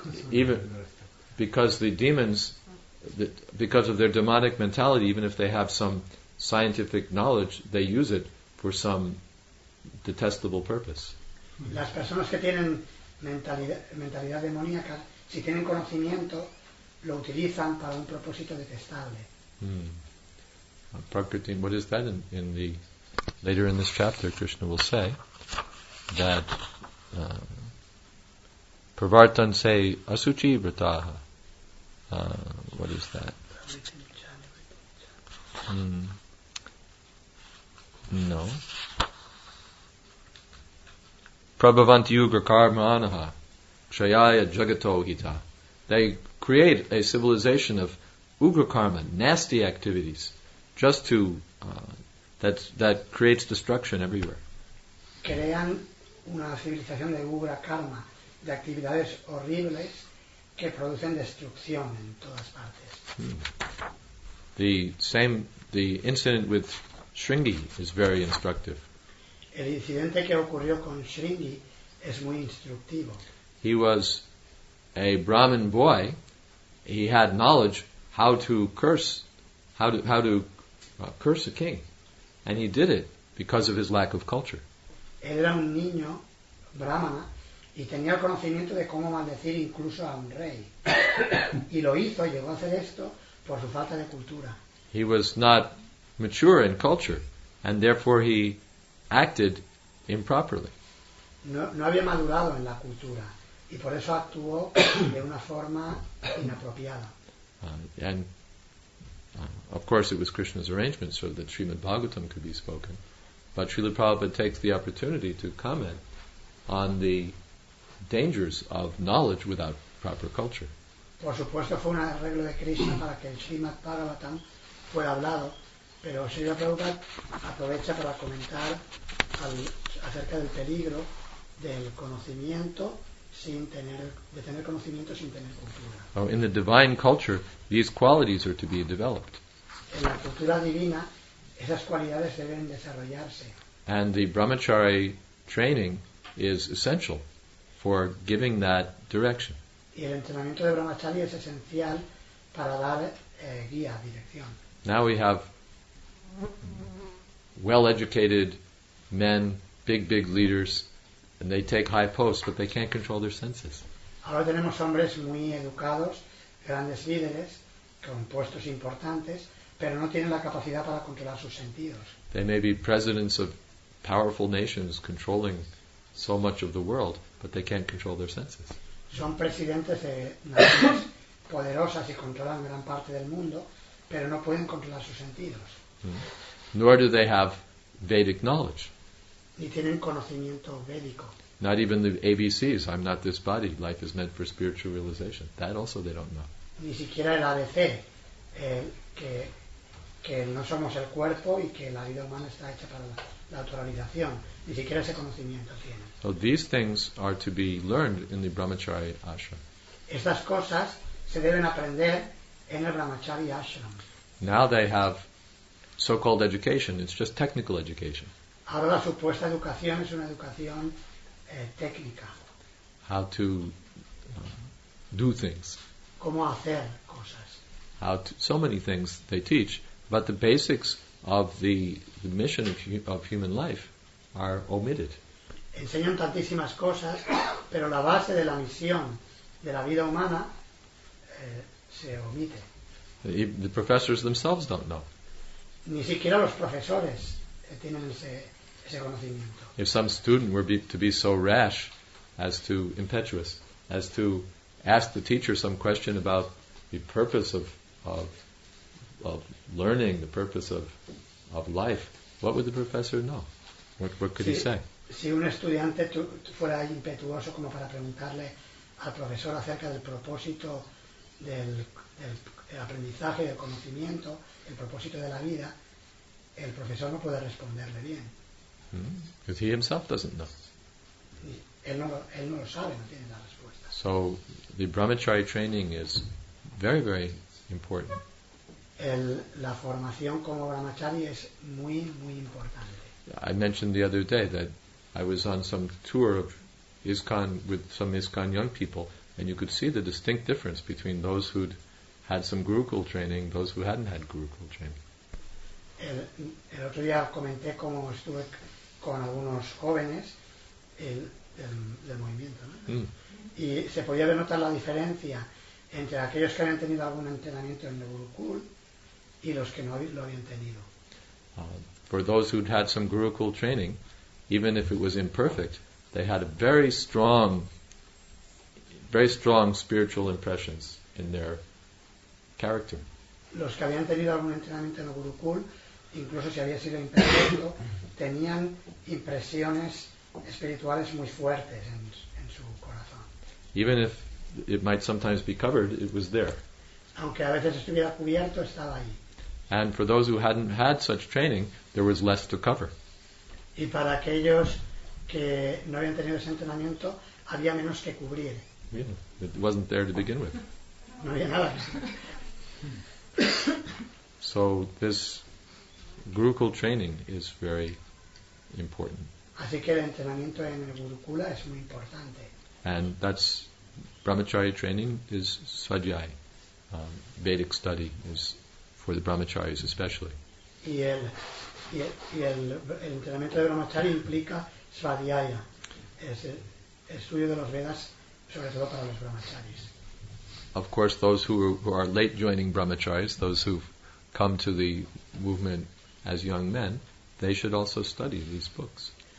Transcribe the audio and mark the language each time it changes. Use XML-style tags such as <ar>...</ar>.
<en>Even because the demons, because of their demonic mentality, even if they have some scientific knowledge, they use it for some detestable purpose.</en> <es>Las personas que tienen mentalidad demoníaca, si tienen conocimiento, lo utilizan para un propósito detestable.</es> <en>Prakriti, what is that in the later in this chapter? Krishna will say that</en> <sa>pravartan se asuchi vrataha.</sa> <en>What is that? No.</en> <sa>Prabhavanti yugra karma anaha, kshayaya jagato hita.</sa> <en>They create a civilization of ugra karma, nasty activities, just to that creates destruction everywhere.</en> <es>Crean una civilización de ugra karma, de actividades horribles que producen destrucción en todas partes.</es> <en>The incident with Sringi is very instructive.</en> <es>El incidente que ocurrió con Sringi es muy instructivo.</es> <en>He was a Brahmin boy. He had knowledge how to curse a king, and he did it because of his lack of culture.</en> <es>él era un niño brahmana y tenía el conocimiento de cómo maldecir incluso a un rey. Y lo hizo, llegó a hacer esto por su falta de cultura.</es> <en>He was not mature in culture, and therefore he acted improperly.</en> <es>No había madurado en la cultura, y por eso actuó de una forma inapropiada.</es> <en>Of course, it was Krishna's arrangement so that Srimad Bhagavatam could be spoken. But Srila Prabhupada takes the opportunity to comment on the dangers of knowledge without proper culture.</en> <es>Por supuesto, fue un arreglo de Krishna para que el Srimad Bhagavatam fuera hablado, pero Srila Prabhupada aprovecha para comentar acerca del peligro del conocimiento sin tener, de tener conocimiento sin tener cultura.</es> <en>In the divine culture, these qualities are to be developed.</en> <es>En la cultura divina, esas cualidades deben desarrollarse.</es> <en>And the brahmachari training is essential for giving that direction.</en> <es>Y el entrenamiento de brahmachari es esencial para dar guía, dirección.</es> <en>Now we have well-educated men, big leaders, and they take high posts, but they can't control their senses.</en> <es>Ahora tenemos hombres muy educados, grandes líderes, con puestos importantes, pero no tienen la capacidad para controlar sus sentidos.</es> <en>They may be presidents of powerful nations controlling so much of the world, but they can't control their senses.</en> <es>Son presidentes de naciones poderosas y controlan gran parte del mundo, pero no pueden controlar sus sentidos.</es> <en>Nor do they have Vedic knowledge.</en> <es>Ni tienen conocimiento védico.</es> <en>Not even the ABCs. I'm not this body. Life is meant for spiritual realization. That also they don't know.</en> <es>Ni siquiera el ABC, que no somos el cuerpo y que la vida humana está hecha para la autorrealización. Ni siquiera ese conocimiento tienen.</es> <en>So these things are to be learned in the Brahmachari ashram.</en> <es>Estas cosas se deben aprender en el Brahmachari ashram.</es> <en>Now they have so-called education. It's just technical education.</en> <es>Ahora la supuesta educación es una educación técnica.</es> <en>How to do things.</en> <es>Cómo hacer cosas.</es> <en>How to, so many things they teach, but the basics of the mission of human life are omitted.</en> <es>Enseñan tantísimas cosas, pero la base de la misión de la vida humana se omite.</es> <en>The professors themselves don't know.</en> <es>Ni siquiera los profesores tienen ese.</es> <en>If some student were to be so rash as to, impetuous, as to ask the teacher some question about the purpose of learning, the purpose of life, what would the professor know? What could</en> <es>si,</es> <en>he say?</en> <es>Si un estudiante fuera impetuoso como para preguntarle al profesor acerca del propósito del aprendizaje, del conocimiento, el propósito de la vida, el profesor no puede responderle bien.</es> <en>Because he himself doesn't know.</en> <es>Él no lo sabe, no tiene la respuesta.</es> <en>So the brahmachari training is very, very important.</en> <es>La formación como brahmachari es muy, muy importante.</es> <en>I mentioned the other day that I was on some tour of ISKCON with some ISKCON young people, and you could see the distinct difference between those who'd had some Gurukul training, those who hadn't had Gurukul training.</en> <es>El otro día comenté cómo estuve con algunos jóvenes del movimiento, ¿no? Y se podía denotar la diferencia entre aquellos que habían tenido algún entrenamiento en el Gurukul y los que no lo habían tenido.</es> <en>For those who'd had some Gurukul training, even if it was imperfect, they had a very strong spiritual impressions in their character.</en> <es>Los que habían tenido algún entrenamiento en el Gurukul, incluso si había sido imperfecto, tenían impresiones espirituales muy fuertes en su corazón.</es> <en>Even if it might sometimes be covered, it was there.</en> <es>Aunque a veces estuviera cubierto, estaba ahí.</es> <en>And for those who hadn't had such training, there was less to cover.</en> <es>Y para aquellos que no habían tenido ese entrenamiento, había menos que cubrir.</es> <en>Yeah, it wasn't there to begin with.</en> <es>No había nada.</es> <en>So this Gurukul training is very important.</en> <es>Así que el entrenamiento en el Gurukula es muy importante.</es> <en>And that's brahmachari training is swadhyay. Vedic study is for the brahmacharis especially.</en> <es>Y el entrenamiento de brahmachari implica Svadhyaya, es el estudio de los Vedas, sobre todo para los brahmacharis.</es> <en>Of course, those who are late joining brahmacharis, those who've come to the movement as young men, they should also study these books.</en>